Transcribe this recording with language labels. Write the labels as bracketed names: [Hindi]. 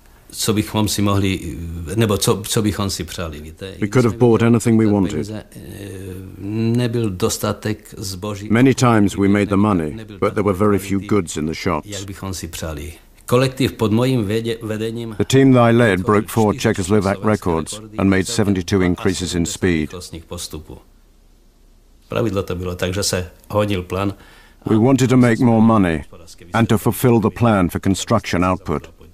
[Czech] co bychom si mohli, nebo co, co bychom si přáli, víte? [English] We could have bought anything we wanted. [Czech] Nebyl dostatek zboží. [English] Many times we made the money, but there were very few goods in the shops. [Czech] Jak bychom si přáli. Kolektiv pod mojím vedením. [English] The team that I led broke 4 Czechoslovak records and made 72 increases in speed. [Czech] Pravidlo to bylo, takže se honil plán. [English] We wanted to make more money and to fulfill the plan for construction output.